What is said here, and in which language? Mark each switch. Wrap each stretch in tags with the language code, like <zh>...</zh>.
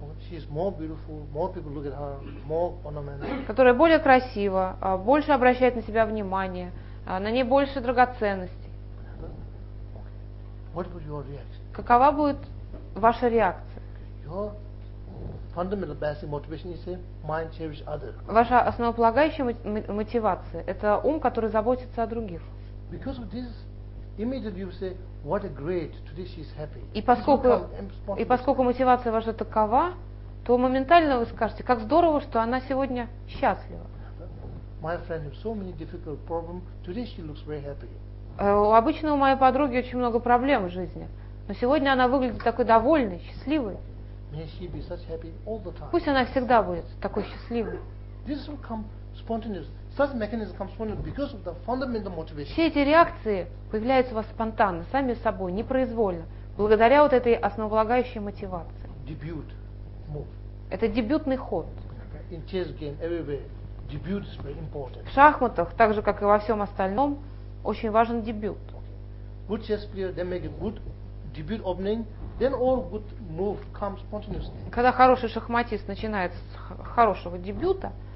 <en>She is more beautiful, more people look at her, more ornamental.</en> <ru>Которая более красива, больше обращает на себя внимание, на ней больше драгоценностей.</ru> <en>What would your reaction?</en> <ru>Какова будет ваша реакция?</ru> <en>Your fundamental basic motivation is mind cherish other.</en> <ru>Ваша основополагающая мотивация – это ум, который заботится о других.</ru> <en>Because of this, immediately you say, what a great, today she is happy.</en> <ru>И поскольку мотивация ваша такова, то моментально вы скажете, как здорово, что она сегодня счастлива.</ru> <en>My friend has so many difficult problems. Today she looks very happy.</en> <ru>Обычно у моей подруги очень много проблем в жизни. Но сегодня она выглядит такой довольной, счастливой.</ru> <en>May she be such happy all the time.</en> <ru>Пусть она всегда будет такой счастливой.</ru> <en>This will come spontaneous. Such mechanism comes spontaneous because of the fundamental motivation.</en> <ru>Все эти реакции появляются у вас спонтанно, сами собой, непроизвольно, благодаря вот этой основополагающей мотивации.</ru> <en>Debut move.</en> <ru>Это дебютный ход.</ru> <en>In chess game, everywhere, debut is very important.</en> <ru>В шахматах, так же как и во всем остальном, очень важен дебют.</ru> <en>Good chess player, they make a good debut opening, then all good move comes spontaneously.</en> <ru>Когда хороший шахматист начинает с хорошего дебюта,</ru>